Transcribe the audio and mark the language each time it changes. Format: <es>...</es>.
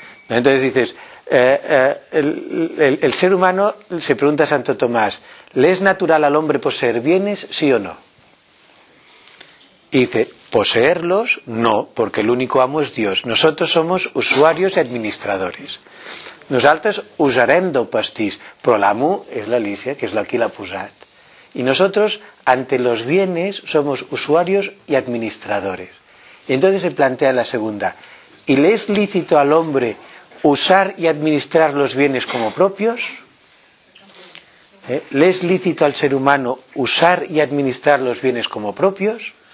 <es>Entonces dices, el ser humano, se pregunta a Santo Tomás, ¿le es natural al hombre poseer bienes, sí o no? Y dice, poseerlos, no, porque el único amo es Dios. Nosotros somos usuarios y administradores.</es> <ca>Nosaltres usarem del pastís, però l'amo és l'Alícia, que és la que l'ha posat.</ca> <es>Y nosotros, ante los bienes, somos usuarios y administradores. Y entonces se plantea la segunda. ¿Y le es lícito al hombre usar y administrar los bienes como propios? ¿Le es lícito al ser humano usar y administrar los bienes como propios?</es>